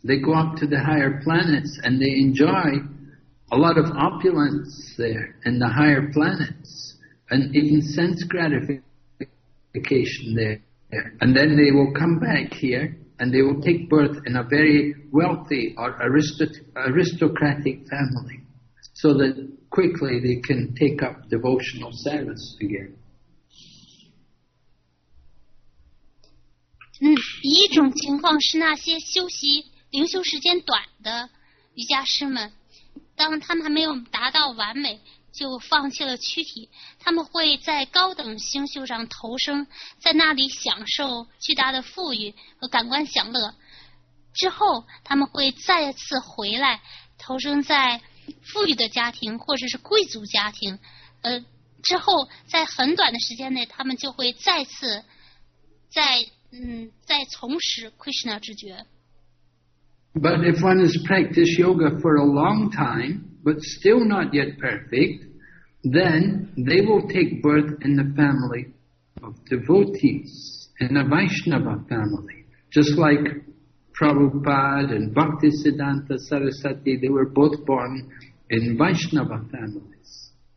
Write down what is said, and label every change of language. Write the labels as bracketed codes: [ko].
[en] They go up to the higher planets and they enjoy a lot of opulence there in the higher planets and even sense gratification there. And then they will come back here and they will take birth in a very wealthy or aristocratic family so that quickly they can take up devotional service again. [zh] 一种情况是那些修习灵修时间短的瑜伽师们，当他们还没有达到完美就放弃了躯体，他们会在高等星宿上投生，在那里享受巨大的富裕和感官享乐，之后他们会再次回来投生在富裕的家庭或者是贵族家庭，之后在很短的时间内他们就会再次在在从事 Krishna 之觉。 [en] But if one has practiced yoga for a long time, but still not yet perfect, then they will take birth in the family of devotees, in a Vaishnava family. Just like Prabhupada and Bhaktisiddhanta Sarasati, they were both born in Vaishnava families.